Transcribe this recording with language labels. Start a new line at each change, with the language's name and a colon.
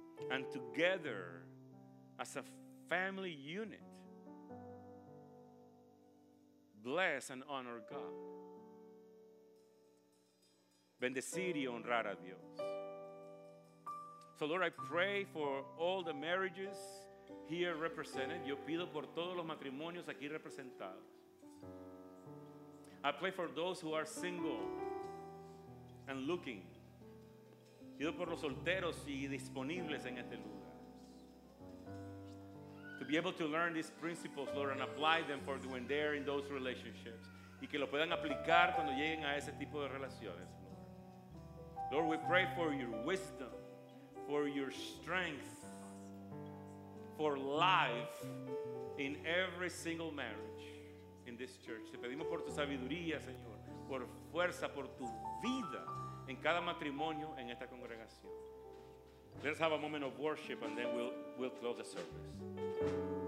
English: And together as a family unit. Bless and honor God.
Spanish: Bendecir y honrar a Dios.
English: So Lord, I pray for all the marriages here represented.
Spanish: Yo pido por todos los matrimonios aquí representados.
English: I pray for those who are single and looking.
Spanish: Pido por los solteros y disponibles en este lugar.
English: To be able to learn these principles, Lord, and apply them for when they're in those relationships.
Spanish: Y que lo puedan aplicar cuando lleguen a ese tipo de relaciones.
English: Lord, we pray for your wisdom, for your strength, for life in every single marriage in this church.
Spanish: Te pedimos por tu sabiduría, Señor, por fuerza, por tu vida en cada matrimonio en esta congregación.
English: Let's have a moment of worship and then we'll close the service.